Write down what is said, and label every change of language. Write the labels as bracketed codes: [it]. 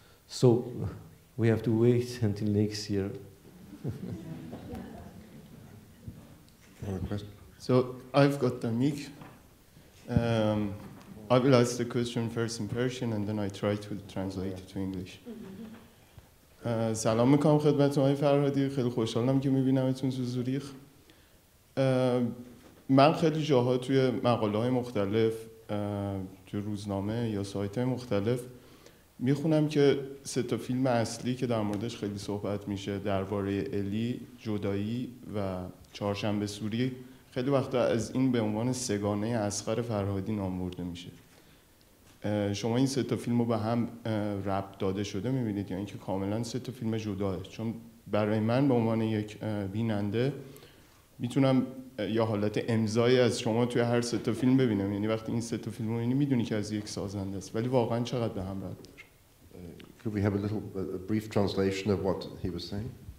[en] So we have to wait until next year. So I've got the mic. I will ask the question first in Persian and then I try to translate it to English. [fa] سلام میکنم خدمت آقای فرهادی. خیلی خوشحالم که میبینمتون تو زوریخ. من خیلی جاها توی مقاله های مختلف توی روزنامه یا سایت‌های مختلف میخونم که سه تا فیلم اصلی که در موردش خیلی صحبت میشه درباره الی، جدایی و چهارشنبه سوری خیلی وقتا از این به عنوان سگانه اسغر فرهادی نام برده میشه. شما این سه تا فیلم رو به هم ربط داده شده میبینید یا یعنی اینکه کاملا سه تا فیلم جداه؟ چون برای من به عنوان یک بیننده میتونم یا حالت امضایی از شما توی هر سه تا فیلم ببینم، یعنی وقتی این سه تا فیلم رو می‌بینی می‌دونی که از یک سازنده است، ولی واقعا چقدر به هم ربط داره؟ [en] Could we have a little a brief translation of what he was saying?